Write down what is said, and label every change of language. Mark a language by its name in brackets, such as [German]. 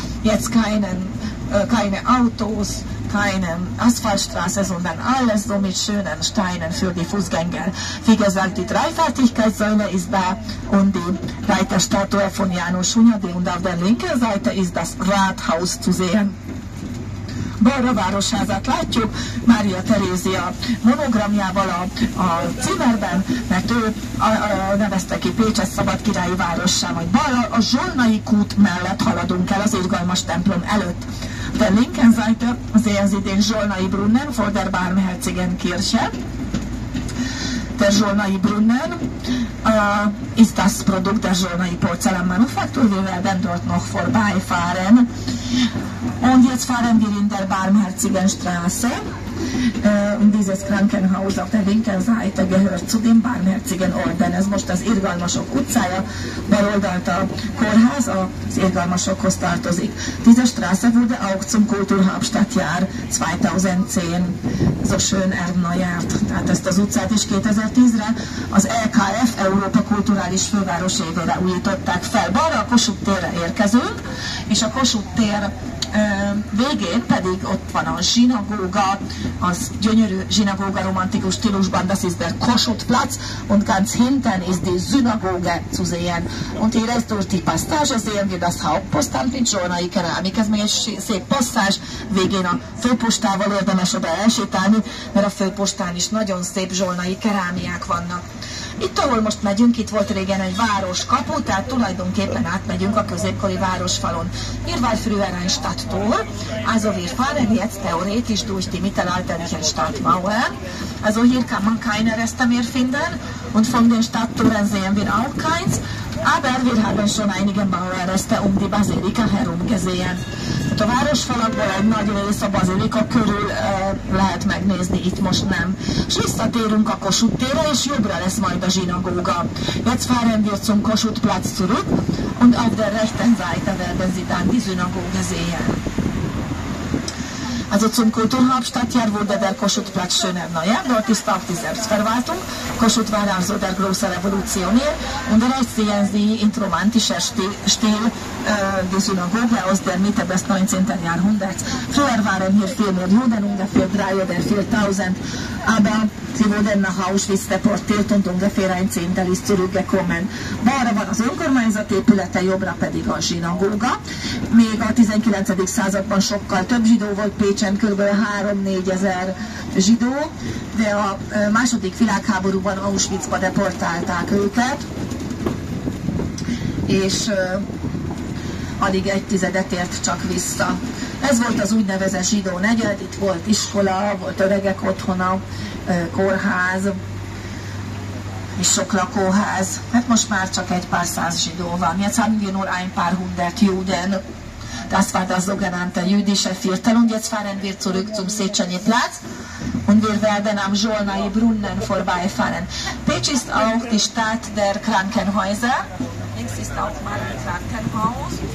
[German] Jetzt keine Autos, keine Asphaltstraße, sondern alles so mit schönen Steinen für die Fußgänger. Wie gesagt, die Dreifaltigkeitssäule ist da und die Reiterstatue von János Hunyadi, und auf der linken Seite ist das Rathaus zu sehen. [Hungarian] Balra városházát látjuk, Mária Terézia monogramjával a címerben, mert ő nevezte ki Pécset szabadkirályi várossá, majd balra a Zsolnai kút mellett haladunk el az irgalmas templom előtt. [German] De linken Seite sehen Sie den Zsolnai Brunnen vor der Barmherzigen Kirche. Der Zsolnai Brunnen ist das Produkt der Zsolnai Porzellanmanufaktur, wir werden dort noch vorbeifahren. Und jetzt fahren wir in der Barmherzigen Straße. Und dieses Krankenhaus auf der linken Seite gehört zu dem Barmherzigen Orden. [Hungarian] Ez most az Irgalmasok utcája, baloldalt a kórház, az Irgalmasokhoz tartozik. [German] Diese Straße wurde auch zum Kulturhauptstadtjahr 2010. So schön erneuert. [Hungarian] Tehát ezt az utcát is 2010-re az EKF, Európa Kulturális Főváros évére újították fel. Balra a Kossuth térre érkezünk, és a Kossuth tér végén pedig ott van a zsinagóga, az gyönyörű zsinagóga romantikus stílusban, [German] das ist der Kossuthplatz, und ganz hinten ist die Synagoge zu sehen. Und hier ist durch die Passage sehen wir das Hauptpostamt mit Zsolnai Kerámik. [Hungarian] Ez még egy szép passzás, végén a főpostával érdemes oda elsétálni, mert a főpostán is nagyon szép zsolnai kerámiák vannak. Itt, ahol most megyünk, itt volt régen egy városkapu, tehát tulajdonképpen átmegyünk a középkori városfalon. [German] Irvai-Früherrenstadttól, also wir fahren jetzt theoretisch durch die mittelalterliche Stadtmauer. Also hier kann man keine Reste mehr finden, und von den Stadttoren sehen wir auch keins. Aber wir haben schon einige Mauerreste um die Basilika herum gesehen. [Hungarian] Tehát a városfalakból egy nagy rész a bazilika körül lehet megnézni, itt most nem. És visszatérünk a Kossuth térre, és jobbra lesz majd a zsinagóga. [German] Jetzt fahren wir zum Kossuth-Platz zurück, und auf der rechten Seite werden Sie dann die Synagoge sehen. Also zum Kulturhauptstadtjahr wurde der Kossuth-Platz schöner, naja, dort ist auch die Selbstverwaltung. Kossuth war also der große Revolutionär. Und rechts sehen Sie in romantischer Stil die Synagoge aus der Mitte des 19. Jahrhunderts. Früher waren hier 4 Millionen, ungefähr 3 oder 4.000, aber sie wurden nach Auschwitz deportiert und ungefähr ein Zehntel ist zurückgekommen. [Hungarian] Balra van az önkormányzat épülete, jobbra pedig a zsinagóga. Még a 19. században sokkal több zsidó volt Pécsen, kb. 3-4 ezer zsidó, de a II. Világháborúban Auschwitzba deportálták őket, és alig egy tizedet ért csak vissza. Ez volt az úgynevezett zsidó negyed, itt volt iskola, volt öregek otthona, kórház, és sok lakóház. Hát most már csak egy pár száz zsidó van. [German] Jetzt haben wir nur ein paar hundert Juden. Das war das sogenannte jüdische Viertel. Und jetzt fahren wir zurück zum Széchenyi Platz. Und wir werden am Zsolnai Brunnen vorbeifahren. Pécs ist auch die Stadt der Krankenhäuser. Links ist auch mal ein Krankenhaus.